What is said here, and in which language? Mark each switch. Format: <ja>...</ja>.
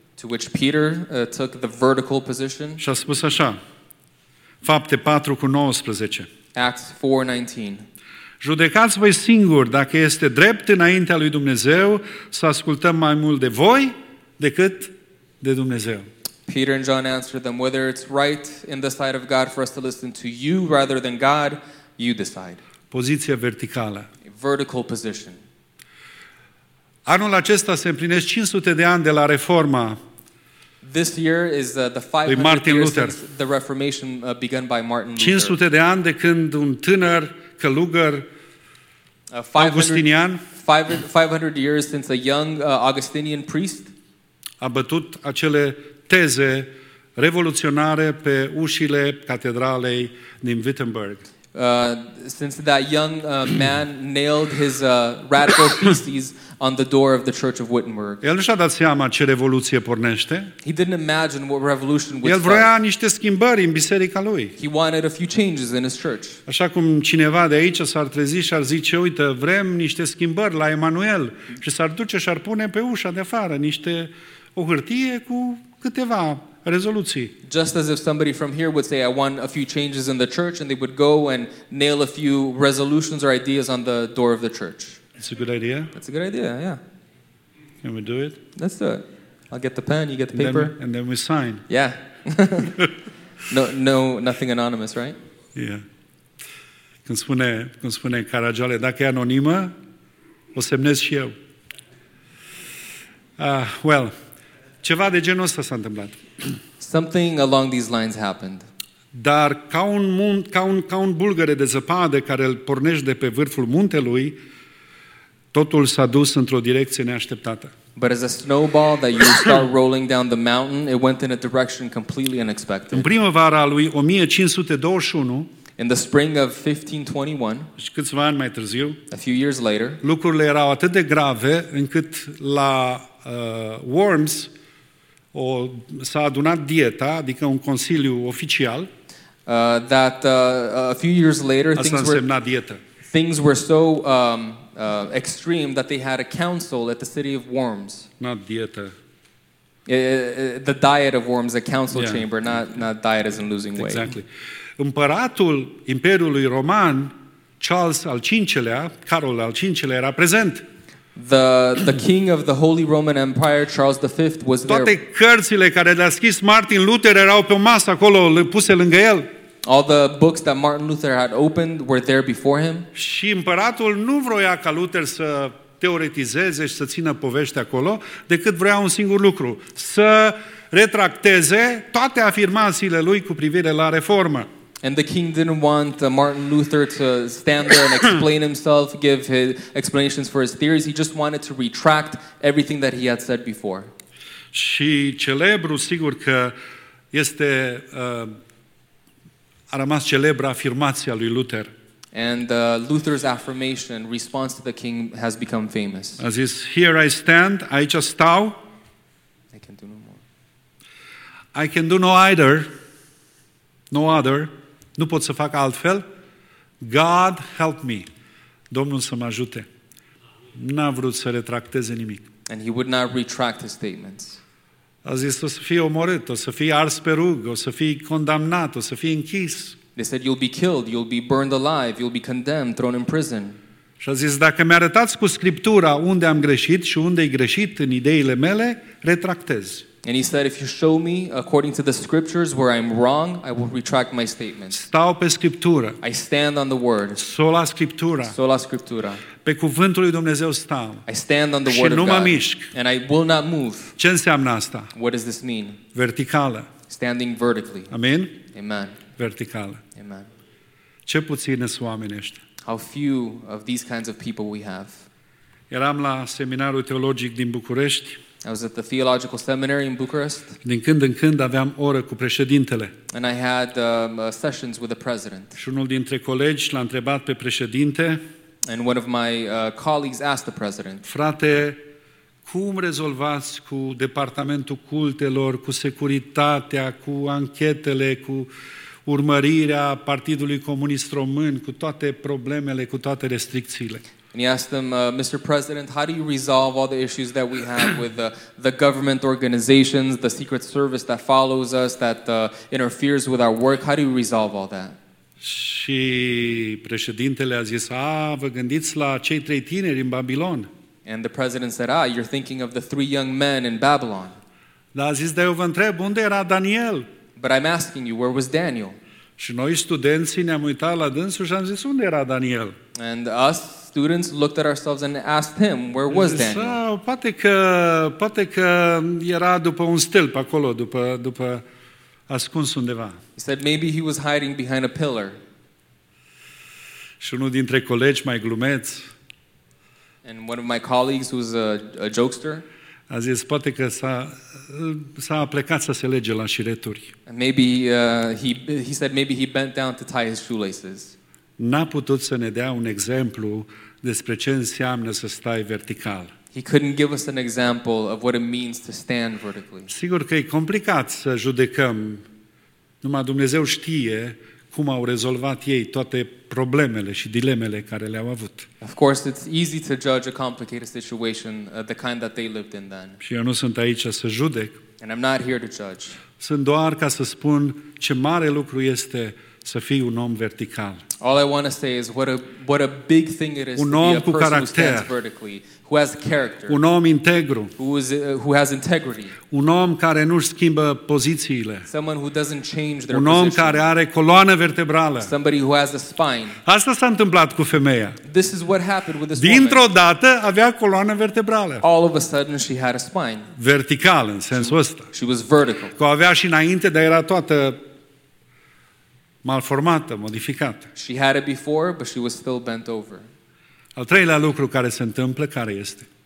<en>To which Peter took the vertical position.</en> <ro>Și a spus așa. Fapte 4 cu 19.</ro> <en>Acts 4:19.</en> <ro>Judecați voi singuri dacă este drept înaintea lui Dumnezeu să ascultăm mai mult de voi decât de Dumnezeu.</ro> <en>Peter and John answered them, whether it's right in the sight of God for us to listen to you rather than God, you decide.</en> <ro>Poziția verticală.</ro> <en>Vertical position.</en> <ro>Anul acesta se împlinesc 500 de ani de la reforma.</ro> <en>This year is the 500 years since the Reformation begun by Martin Luther.</en> <ro>500 de ani de când un tânăr călugăr augustinian</ro> <en>500 years since a young Augustinian priest</en> <ro>a bătut acele teze revoluționare pe ușile catedralei din Wittenberg.</ro> <en>Since that young man nailed his radical theses on the door of the Church of Wittenberg.</en> <ro>El nu și-a dat seama ce revoluție pornește.</ro> <en>He didn't imagine what revolution would start.</en> <ro>El vrea niște schimbări în biserica lui.</ro> <en>He wanted a few changes in his church.</en> <ro>Așa cum cineva de aici s-ar trezi și ar zice, uite, vrem niște schimbări la Emanuel, și s-ar duce și ar pune pe ușa de afară niște o hârtie cu câteva rezoluții.</ro> <en>Just as if somebody from here would say, I want a few changes in the church, and they would go and nail a few resolutions or ideas on the door of the church. That's a good idea. That's a good idea, yeah. Can we do it? Let's do it. I'll get the pen, you get the paper. And then we sign. Yeah. No, nothing anonymous, right? Yeah.</en> <ro>Când spune Caragiale, dacă e anonimă, o semnez și eu. Well, ceva de genul ăsta s-a întâmplat.</ro> <en>Something along these lines happened.</en> <ro>Dar ca un bulgăre de zăpadă care îl pornește de pe vârful muntelui, totul s-a dus într-o direcție neașteptată.</ro> <en>But as a snowball that you start rolling down the mountain, it went in a direction completely unexpected.</en> <ro>În primăvara lui 1521,</ro> <en>in the spring of 1521,</en> <ro>și câțiva ani mai târziu,</ro> <en>a few years later,</en> <ro>lucrurile erau atât de grave încât la Worms s-a adunat dieta, adică un consiliu oficial.</ro> <en>A few years later, things were so extreme that they had a council at the city of Worms. Not dieta. The diet of Worms, a council chamber, not diet as in losing exactly. weight. Exactly.</en> <ro>Împăratul Imperiului Roman, Charles al V-lea, Carol al V-lea, era prezent.</ro> <en>The king of the Holy Roman Empire, Charles V, was there.</en> <ro>Toate cărțile care le-a scris Martin Luther erau pe o masă acolo, puse lângă el.</ro> <en>All the books that Martin Luther had opened were there before him.</en> <ro>Și împăratul nu vroia ca Luther să teoretizeze și să țină povești acolo, decât vrea un singur lucru, să retracteze toate afirmațiile lui cu privire la reformă.</ro> <en>And the king didn't want Martin Luther to stand there and explain himself, give his explanations for his theories. He just wanted to retract everything that he had said before.</en> <ro>Și celebru, sigur că este a rămas celebră afirmația lui Luther.</ro> <en>And Luther's affirmation, response to the king, has become famous.</en> <ro>A zis,</ro> <en>here I stand,</en> <ro>aici stau.</ro> <en>I can do no more. I can do no either, no other.</en> <ro>Nu pot să fac altfel.</ro> <en>God help me.</en> <ro>Domnul să mă ajute. N-a vrut să retracteze nimic.</ro> <en>And he would not retract his statements.</en> <ro>A zis, o să fie omorât, o să fie ars pe rug, o să fie condamnat, o să fie închis.</ro> <en>They said, you'll be killed, you'll be burned alive, you'll be condemned, thrown in prison.</en> <ro>Și a zis, dacă mi-arătați cu Scriptura unde am greșit și unde e greșit în ideile mele, retractez.</ro> <en>And he said, if you show me, according to the scriptures, where I'm wrong, I will retract my statement.</en> <ro>Stau pe Scriptură.</ro> <en>I stand on the word.</en> <la>Sola Scriptura. Sola Scriptura.</la> <ro>Pe cuvântul lui Dumnezeu stau.</ro> <en>I stand on the word of God.</en> <ro>Și nu mă mișc.</ro> <en>And I will not move.</en> <ro>Ce înseamnă asta?</ro> <en>What does this mean?</en> <ro>Verticală.</ro> <en>Standing vertically.</en> <ro>Amen?</ro> <en>Amen.</en> <ro>Verticală.</ro> <en>Amen.</en> <ro>Ce puțin sunt oamenii ăștia.</ro> <en>How few of these kinds of people we have.</en> <ro>Eram la seminarul teologic din București.</ro> <en>I was at the theological seminary in Bucharest.</en> <ro>Din când în când aveam oră cu președintele.</ro> <en>And I had sessions with the president.</en> <ro>Și unul dintre colegi l-a întrebat pe președinte.</ro> <en>And one of my colleagues asked the president.</en> <ro>Frate, cum rezolvați cu departamentul cultelor, cu securitatea, cu anchetele, cu urmărirea Partidului Comunist Român, cu toate problemele, cu toate restricțiile?</ro> <en>And he asked them, Mr. President, how do you resolve all the issues that we have with the government organizations, the secret service that follows us, that interferes with our work? How do you resolve all that?</en> <ro>Și președintele a zis, vă gândiți la cei trei tineri în Babilon.</ro> <en>And the president said, you're thinking of the three young men in Babylon.</en> <ro>Dar a zis, eu vă întreb, unde era Daniel?</ro> <en>But I'm asking you, where was Daniel?</en> <ro>Și noi studenții ne-am uitat la dânsul și am zis, unde era Daniel?</ro> <en>And us students looked at ourselves and asked him, where was Daniel?</en> <ro>Sau, poate că era după un stâlp acolo, după ascuns undeva.</ro> <en>He said, maybe he was hiding behind a pillar.</en> <ro>Și unul dintre colegi mai glumeț.</ro> <en>And one of my colleagues was a jokester.</en> <ro>A zis, poate că s-a plecat să se lege la șireturi.</ro> <en>And maybe he said maybe he bent down to tie his shoelaces.</en> <ro>N-a putut să ne dea un exemplu despre ce înseamnă să stai vertical.</ro> <en>He couldn't give us an example of what it means to stand vertically.</en> <ro>Sigur că e complicat să judecăm. Numai Dumnezeu știe cum au rezolvat ei toate problemele și dilemele care le-au avut.</ro> <en>Of course, it's easy to judge a complicated situation, the kind that they lived in then.</en> <ro>Și eu nu sunt aici să judec.</ro> <en>And I'm not here to judge.</en> <ro>Sunt doar ca să spun ce mare lucru este să fii un om vertical.</ro> <en>All I want to say is what a big thing it is</en> <ro>un</ro> <en>to be a</en> <ro>cu</ro> <en>person</en> <ro>caracter.</ro> <en>Who stands vertically, who has character.</en> <ro>Un om integru.</ro> <en>Who has integrity.</en> <ro>Un om care nu-și schimbă pozițiile.</ro> <en>Someone who doesn't change their</en> <ro>un om</ro> <en>position.</en> <ro>Care are coloană vertebrală.</ro> <en>Somebody who has a spine.</en> <ro>Asta s-a întâmplat cu femeia.</ro> <en>This is what happened with this</en> <ro>dintr-o</ro> <en>woman.</en> <ro>Dată avea coloană vertebrală.</ro> <en>All of a sudden she had a spine.</en> <ro>Vertical în sensul ăsta.</ro> <en>She was vertical.</en> <ro>Că o avea și înainte, dar era toată malformată, modificată.</ro> <en>She had it before, but she was still bent over.</en> <ro>Al treilea lucru care se întâmplă, care este?</ro>